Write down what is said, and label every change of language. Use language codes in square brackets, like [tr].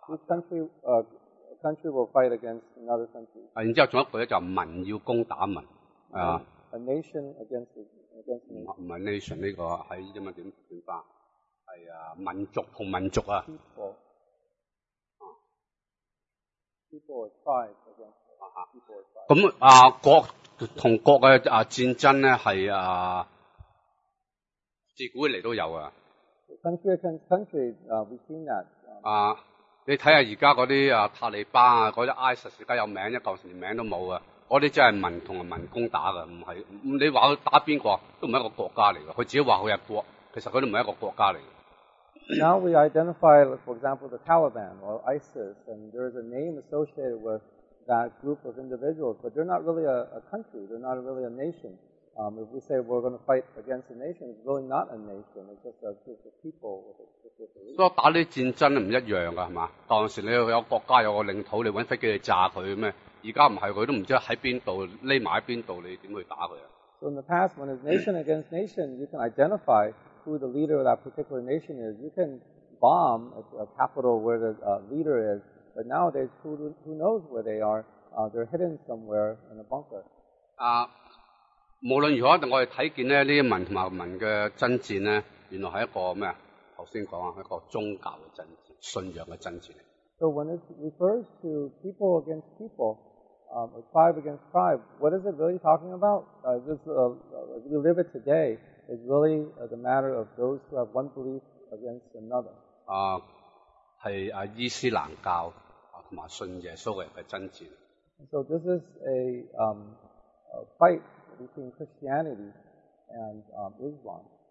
[en] This country, a country will fight against another country. [yue] 然之后仲有一句咧，就民要攻打民。 [en] A nation against a nation. [yue] 唔系 nation 呢个喺英文点转翻？系啊，民族同民族啊。 [en] People, tribe against people. [yue] 咁啊，国同国嘅战争咧，系自古以嚟都有啊。 [en] Country against country, we've seen that. [yue] 你睇下而家嗰啲塔利班啊，嗰啲 ISIS 而家有名，一嚿连名都冇啊。嗰啲真系民同民攻打噶，唔系你话佢打边个都唔系一个国家嚟噶，佢自己话佢系国，其实佢都唔系一个国家嚟。 [en] Now we identify, for example, the Taliban or ISIS, and there is a name associated with that group of individuals, but they're not really a country, they're not really a nation. If we say we're going to fight against a nation, it's really not a nation, it's just a group of people. With it, with it. [yue] 所以打啲战争唔一样噶，系嘛？当时你有国家有个领土，你搵飞机去炸佢咩？而家唔系，佢都唔知喺边度匿埋喺边度，你点去打佢啊？ [en] So in the past, when it's nation against nation, you can identify. Who the leader of that particular nation is. You can bomb a capital where the leader is, but nowadays, who knows where they are? They're hidden somewhere in a bunker. [yue] 无论如何，我哋睇见咧呢啲民同埋民嘅争战咧，原来系一个咩啊？头先讲啊，一个宗教嘅争战，信仰嘅争战。 [en] So when it refers to people against people, or tribe against tribe, what is it really talking about? We live it today. It's really the matter of those who have one belief against another. [yue] 是伊斯兰教同埋信耶稣嘅人嘅争战。 [en] So this is a fight between Christianity and Islam.